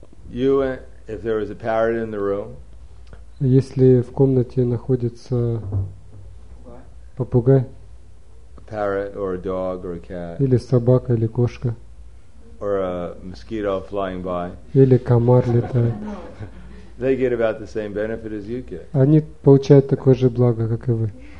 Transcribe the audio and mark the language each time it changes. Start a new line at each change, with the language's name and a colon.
English: You, if there is a parrot in the room.
Russian: Если в комнате находится попугай.
English: A parrot or a dog or a cat.
Russian: Или собака или кошка.
English: Or a mosquito flying by.
Russian: Или комар летает.
English: They get about the same benefit as you get.
Russian: Они получают такое же благо, как и вы.